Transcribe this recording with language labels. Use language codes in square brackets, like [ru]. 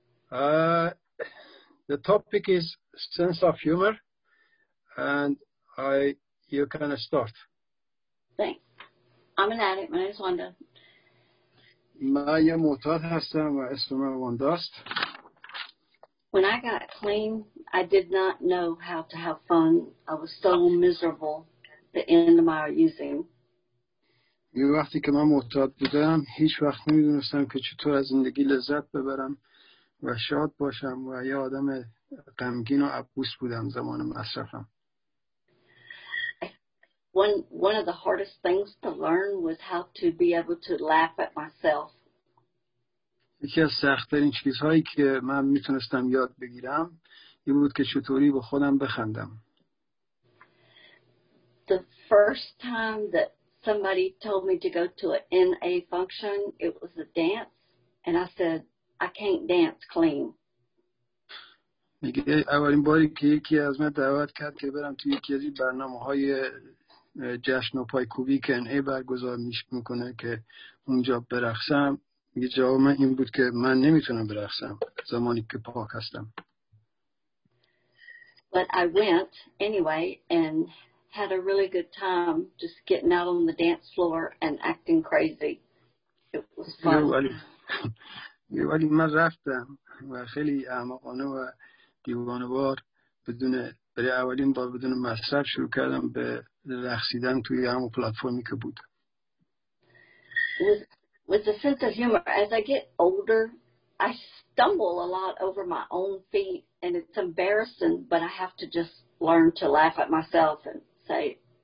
[en] The topic is sense of humor, and you can start. Thanks. I'm an addict. My name is Wanda. [fa] من یه معتاد هستم و اسم من وانداست. [en] When I got clean, I did not know how to have fun. I was so miserable the end of my using. [fa] یه وقتی که من معتاد بودم هیچ وقت نمیدونستم که چطور از زندگی لذت ببرم و شاد باشم و یه آدم غمگین و عبوس بودم زمان مصرفم. [en] One of the hardest things to learn was how to be able to laugh at myself. [fa] یکی از سخت‌ترین چیزهایی که من میتونستم یاد بگیرم این بود که چطوری به خودم بخندم. [en] The first time that somebody told me to go to an NA function, it was a dance, and I said, I can't dance clean. [fa] اولین باری که یکی از من دعوت کرد که برم توی یکی از برنامه‌های جشن و پایکوبی که NA برگزار میکنه که اونجا برقصم، یه جواب من این بود که من نمیتونم برقصم زمانی که پاک هستم. [en] But I went anyway and had a really good time just getting out on the dance floor and acting crazy. It was fun. [fa] ولی من رفتم و خیلی احمقانه و دیوانه‌وار بدون برای اولین بار بدون مصرف شروع کردم به رقصیدن توی همون پلتفرمی که بود. [en] With the sense of humor, as I get older, I stumble a lot over my own feet, and it's embarrassing, but I have to just learn to laugh at myself and say,